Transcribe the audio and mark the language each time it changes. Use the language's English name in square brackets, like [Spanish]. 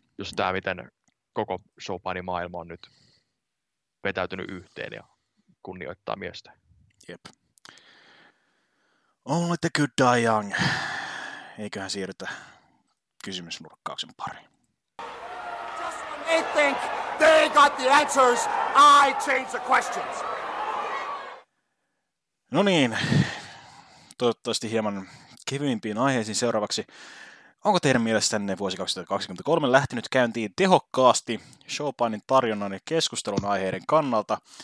[Finnish] Jos tämä, miten koko showpani-maailma on nyt vetäytynyt yhteen ja kunnioittaa miestä. Jep. [English] Only the good die young. [Finnish] Eiköhän siirrytä kysymysnurkkauksen pariin. [English] Just when they think they got the answers, I change the questions. [Finnish] No niin, toivottavasti hieman kevyimpiin aiheisiin seuraavaksi. Onko teidän mielestänne vuosi 2023 lähtenyt käyntiin tehokkaasti showpainin tarjonnan ja keskustelun aiheiden kannalta?